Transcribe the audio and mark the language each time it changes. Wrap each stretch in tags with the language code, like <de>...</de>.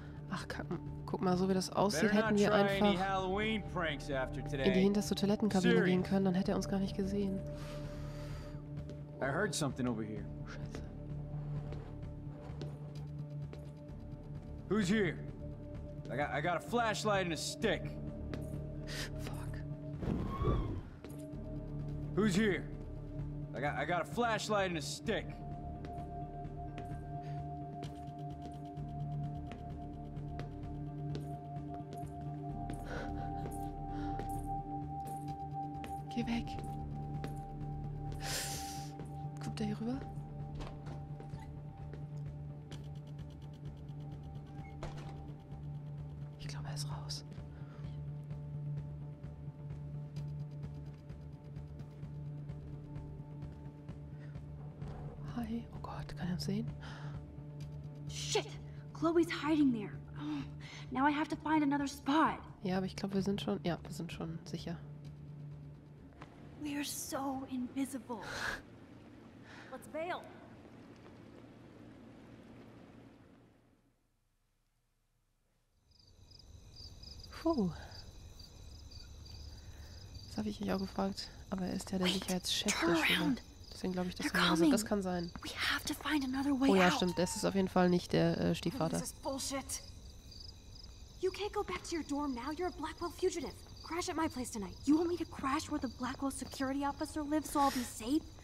<de>Ach, guck mal, so wie das aussieht, hätten wir einfach in die hinterste Toilettenkabine gehen können, dann hätte er uns gar nicht gesehen.</de> <en>I heard something over here.</en> <de>Scheiße.</de> <en>Who's here? I got a flashlight and a stick. Fuck. Who's here? I got a flashlight and a stick.</en> <de>Geh weg. Kommt der hier rüber? alles raus. Hi, oh Gott, kann er sehen?</de> <en>Shit, Chloe's hiding there. Now I have to find another spot.</en> <de>Ja, aber ich glaube, wir sind schon, ja, wir sind schon sicher.</de> <en>We are so invisible. Let's bail. Puh.</en> <de>Das habe ich euch auch gefragt, aber er ist ja der Sicherheitschef der Schule. Deswegen glaube ich, dass er so, das kann sein.</de> <en>We have to find another way out.</en> <de>Oh ja, stimmt, das ist auf jeden Fall nicht der Stiefvater.</de> <en>This is bullshit. You can't go back to your dorm now. You're a Blackwell fugitive. Crash at my place tonight. You want me to crash where the Blackwell security officer lives so I'll be safe?</en>